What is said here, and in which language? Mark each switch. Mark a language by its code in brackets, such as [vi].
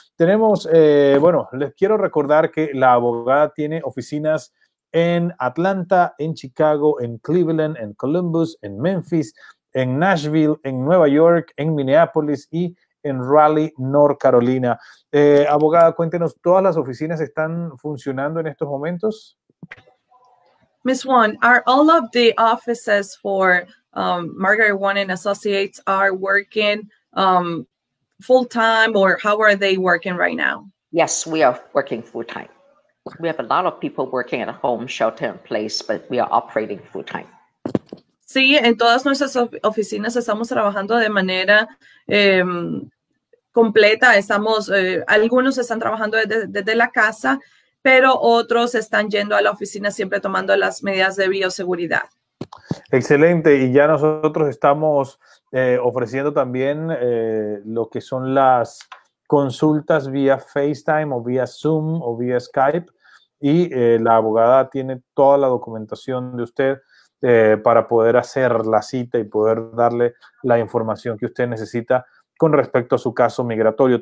[es] Tenemos, bueno, les quiero recordar que la abogada tiene oficinas en Atlanta, en Chicago, en Cleveland, en Columbus, en Memphis, en Nashville, en Nueva York, en Minneapolis y en Raleigh, North Carolina. Abogada, cuéntenos, ¿todas las oficinas están funcionando en estos momentos? [en] Ms. Wong, are all of the offices for Margaret Wong and Associates are working full time, or how are they working right now? Yes, we are working full time. We have a lot of people working at home, shelter in place, but we are operating full time. [es] Sí, en todas nuestras oficinas estamos trabajando de manera completa. Estamos, algunos están trabajando desde la casa, pero otros están yendo a la oficina siempre tomando las medidas de bioseguridad. Excelente, y ya nosotros estamos ofreciendo también lo que son las consultas vía FaceTime o vía Zoom o vía Skype, y la abogada tiene toda la documentación de usted para poder hacer la cita y poder darle la información que usted necesita con respecto a su caso migratorio.